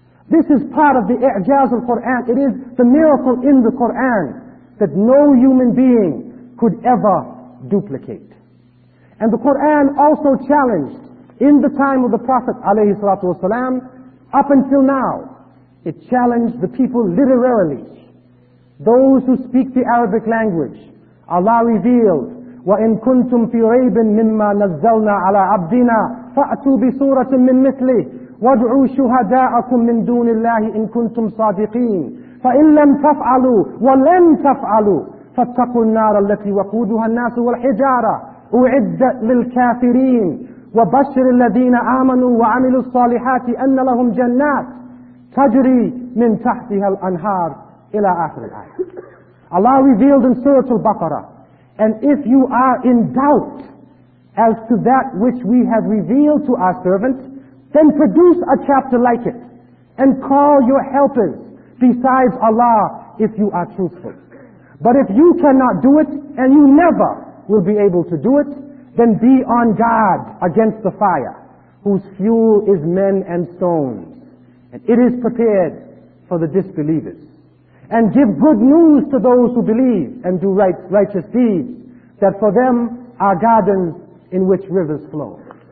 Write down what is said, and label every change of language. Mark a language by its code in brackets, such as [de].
[en] This is part of the i'jaz of Qur'an. It is the miracle in the Qur'an that no human being could ever duplicate. And the Qur'an also challenged in the time of the Prophet alayhi salatu wasalam, up until now, it challenged the people literarily. Those who speak the Arabic language, Allah revealed, [ar] وَإِن كُنْتُمْ فِي رَيْبٍ مِمَّا نَزَّلْنَا عَلَىٰ عَبْدِنَا فَأْتُوا بِسُورَةٍ مِّن مِثْلِهِ وَادْعُوا شُهَدَاءَكُمْ مِنْ دُونِ اللَّهِ إِنْ كُنْتُمْ صَادِقِينَ فَإِنْ لَمْ تَفْعَلُوا وَلَنْ تَفْعَلُوا فَاتَّقُوا النَّارَ الَّتِي وَقُودُهَا النَّاسُ وَالْحِجَارَةُ أُعِدَّتْ لِلْكَافِرِينَ وَبَشِّرِ الَّذِينَ آمَنُوا وَعَمِلُوا الصَّالِحَاتِ أَنَّ لَهُمْ جَنَّاتٍ تَجْرِي مِنْ تَحْتِهَا الْأَنْهَارُ إِلَى آخِرِ الْآيَةِ [en] Allah revealed in Surah Al-Baqarah, and if you are in doubt as to that which we have revealed to our servant, then produce a chapter like it, and call your helpers besides Allah if you are truthful. But if you cannot do it, and you never will be able to do it, then be on guard against the fire, whose fuel is men and stones, and it is prepared for the disbelievers. And give good news to those who believe and do righteous deeds, that for them are gardens in which rivers flow.